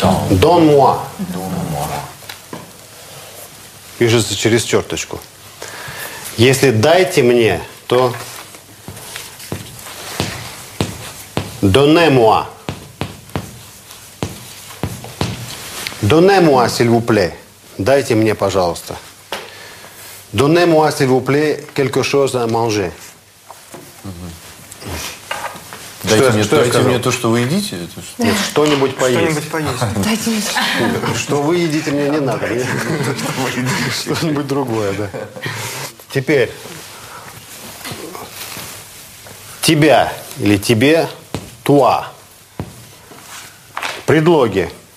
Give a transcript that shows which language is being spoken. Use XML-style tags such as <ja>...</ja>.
<fr>Дон муа.</fr> <ru>Пишется через черточку. Если дайте мне, то</ru> <fr>«Donnez moi». «Donnez moi, s'il vous plaît».</fr> <ru>«Дайте мне, пожалуйста».</ru> <fr>«Donnez moi, s'il vous plaît, quelque chose à manger».</fr> <ru>Угу. «Дайте, мне, что дайте мне то, что вы едите». Нет, «что-нибудь поесть». «Что-нибудь поесть». «Дайте мне то, что вы едите». «Мне не надо». «Дайте мне то, что вы едите». «Что-нибудь другое, да». Теперь. «Тебя» или «тебе». Туа. Предлоги.</ru>